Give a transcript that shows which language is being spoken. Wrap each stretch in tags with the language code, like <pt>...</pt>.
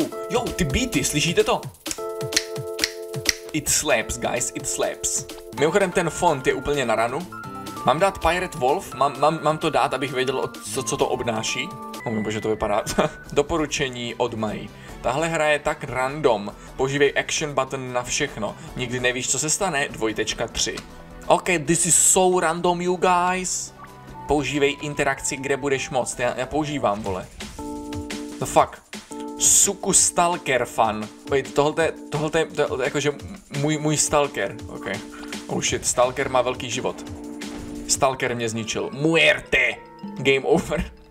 <cs>Jo, ty beaty, slyšíte to?</cs> <en>It slaps, guys, it slaps.</en> <cs>Mimochodem ten font je úplně na ranu. Mám dát Pirate Wolf? Mám to dát, abych věděl, co to obnáší? Oh, bože, to vypadá. Doporučení od Mai. Tahle hra je tak random. Používej action button na všechno. Nikdy nevíš, co se stane. 2.3.</cs> <en>Ok, this is so random, you guys.</en> <cs>Používej interakci, kde budeš moc. Já používám, vole.</cs> <en>The fuck?</en> <cs>Suku Stalker fan. Wait, tohle je jakože můj Stalker. Ok.</cs> <en>Oh shit,</en> <cs>Stalker má velký život. Stalker mě zničil. Muerte!</cs> <en>Game over.</en>